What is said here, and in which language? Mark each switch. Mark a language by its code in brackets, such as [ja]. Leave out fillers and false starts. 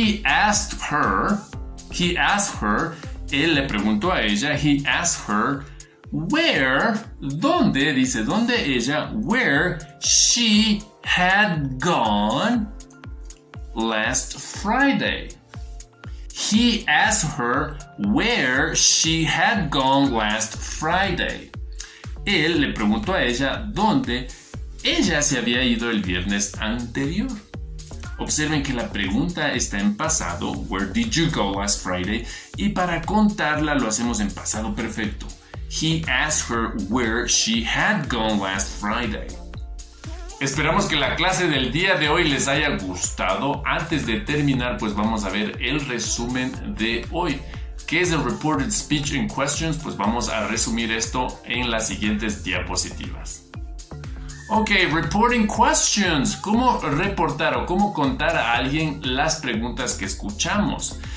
[en] He asked her, [es] él le preguntó a ella, [en] he asked her, where, ¿dónde? [es] Dice, ¿dónde ella? [en] Where she had gone last Friday. He asked her where she had gone last Friday. [es] Él le preguntó a ella dónde ella se había ido el viernes anterior. Observen que la pregunta está en pasado. [en] Where did you go last Friday? [es] Y para contarla lo hacemos en pasado perfecto. [en] He asked her where she had gone last Friday. [es] Esperamos que la clase del día de hoy les haya gustado. Antes de terminar, pues vamos a ver el resumen de hoy. ¿Qué es el Reported Speech in Questions? Pues vamos a resumir esto en las siguientes diapositivas. [en] Okay, reporting questions. [es] ¿Cómo reportar o cómo contar a alguien las preguntas que escuchamos?